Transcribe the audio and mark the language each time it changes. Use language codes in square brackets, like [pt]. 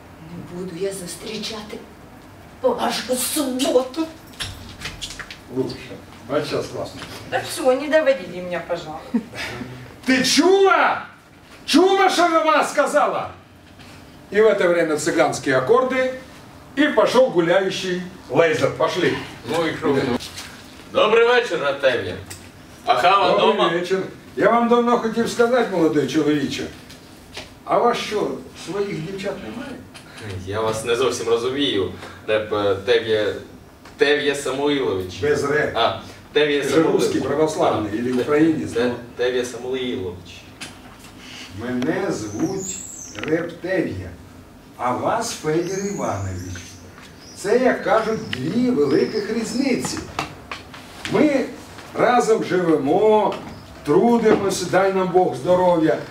[uk] Не буду я зустрічати вашу суботу. [ru] Лучше. А сейчас класно. Да все, не доводите меня, пожалуйста. Ты чула? Чула, что она сказала? И в это время цыганские аккорды, и пошел гуляющий Лейзер. Пошли. Ну и круто. Добрый вечер, Ротелли. А хава дома? Добрый вечер. Я вам давно хотел сказать, молодой человечек. А вас что, своих девчат [uk] немає? [ru] Я вас не совсем разумею, Реп Тев'я Самуилович. Без ре. А. [uk] Ти [ru] же русский, православный, или украинец? [uk] Тев'я Самуїлович. Мене звуть Реп Тев'я, а вас Федір Іванович. Це, як кажуть, дві великих різниці. Ми разом живемо, трудимося, дай нам Бог здоров'я.